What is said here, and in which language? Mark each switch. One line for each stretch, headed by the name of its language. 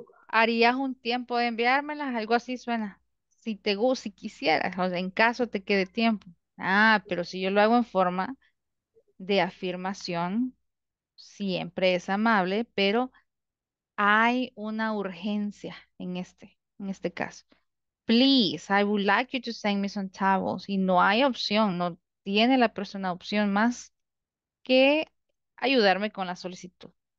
Spanish: ¿Harías un tiempo de enviármelas? Algo así suena. Si te gusta, si quisieras, o sea, en caso te quede tiempo. Ah, pero si yo lo hago en forma de afirmación, siempre es amable, pero hay una urgencia en este caso.
English: Please, I would like you to send me some towels.
Spanish: Y no hay opción, no tiene la persona opción más que ayudarme con la solicitud.